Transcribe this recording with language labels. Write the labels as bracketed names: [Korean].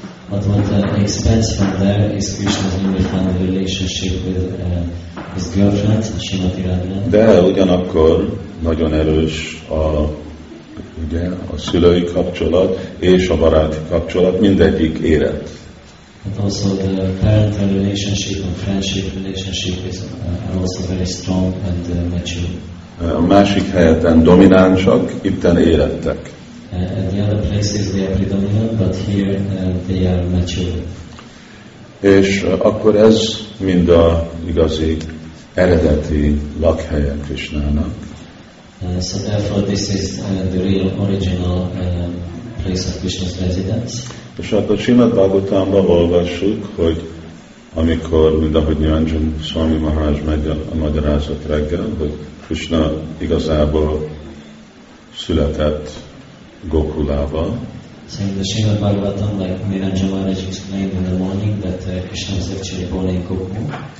[English] But what expands from there is Krishna's newfound relationship with his girlfriend, Srimati Radharani. [Hungarian] De ugyanakkor nagyon erős a szülői kapcsolat és a baráti kapcsolat, mindegyik érett. [English] But also the parental relationship and friendship relationship is also very strong and mature. [Hungarian] A másik helyeten dominánsak, itten érettek. [English] At the other places they are predominant, but here they are mature. [Hungarian] És akkor ez mind a igazi eredeti lakhelye Krisnának. [English] So therefore this is the real original place of Krishna's residence. [Hungarian] És akkor Srimad Bhagavatamban olvassuk, hogy amikor, mint ahogy Nyanjan Swami Maharaj megy a magyarázat reggel, hogy Krishna igazából született Gokulába. [English] Saying the Srimad Bhagavatam, like Nirajan Maharaj explained in the morning, that Krishna was actually born in Gokul.